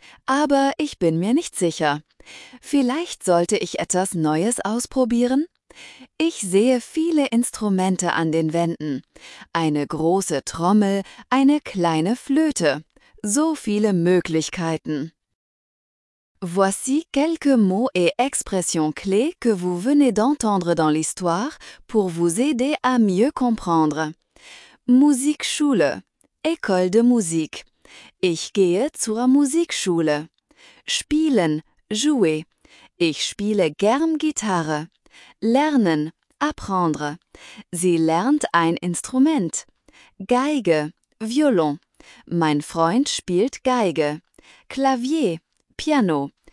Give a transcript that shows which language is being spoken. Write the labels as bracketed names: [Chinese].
[German] Aber ich bin mir nicht sicher. Vielleicht sollte ich etwas Neues ausprobieren? Ich sehe viele Instrumente an den Wänden. Eine große Trommel, eine kleine Flöte. So viele Möglichkeiten. [French] Voici quelques mots et expressions clés que vous venez d'entendre dans l'histoire pour vous aider à mieux comprendre. Musikschule, école de musique. [German] Ich gehe zur Musikschule. Spielen, jouer. Ich spiele gern Gitarre. Lernen, apprendre. Sie lernt ein Instrument. Geige, Violon. Mein Freund spielt Geige. Klavier, Piano.